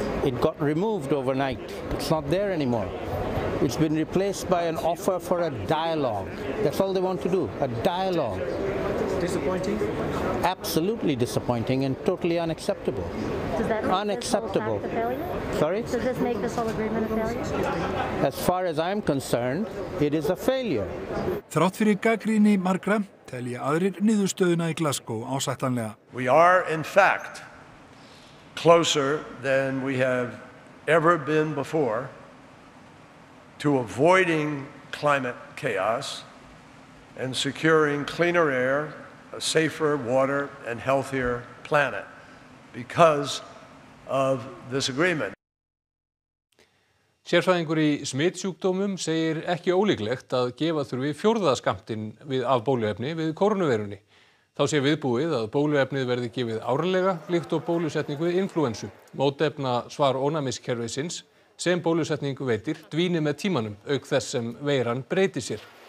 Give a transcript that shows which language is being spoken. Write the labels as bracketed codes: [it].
[en] It got removed overnight. It's not there anymore. It's been replaced by an offer for a dialogue. That's all they want to do, a dialogue. Disappointing? Absolutely disappointing and totally unacceptable. Does that make unacceptable. This whole pact a failure? Sorry? Does this make this whole agreement a failure? As far as I'm concerned, it is a failure. [is] Þrátt fyrir gagnrýni margra, telja aðrir niðurstöðuna í Glasgow ásættanlega. [en] We are in fact closer than we have ever been before to avoiding climate chaos and securing cleaner air, a safer water and healthier planet because of this agreement. [is] Sérfræðingur í smitsjúkdómum segir ekki ólíklegt að gefa þurfi fjórða skammtinn við af bóluefni við koronaveirunni. Þá sé viðbúið að bóluefnið verði gefið árlega líkt og bólusetning við influensu. Mótefna svar ónæmiskerfisins sem bólusetning veitir dvíni með tímanum auk þess sem veiran breyti sér.